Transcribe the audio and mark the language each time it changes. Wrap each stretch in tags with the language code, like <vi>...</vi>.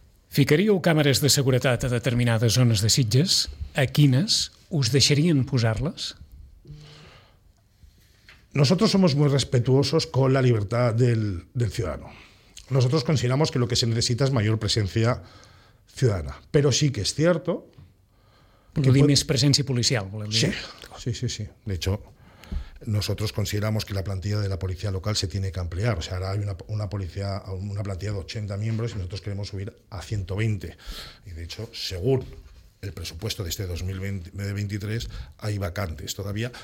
<ca>Ficaríeu càmeres de seguretat a determinades zones de Sitges? A quines us deixarien posar-les?</ca> <es>Nosotros somos muy respetuosos con la libertad del ciudadano. Nosotros consideramos que lo que se necesita es mayor presencia ciudadana. Pero sí que es cierto...</es> <ca>Més presència policial, voleu dir?</ca> <es>Sí. De hecho, nosotros consideramos que la plantilla de la policía local se tiene que ampliar. O sea, ahora hay una plantilla de 80 miembros y nosotros queremos subir a 120. Y de hecho, según el presupuesto de este 2023, hay vacantes todavía.</es>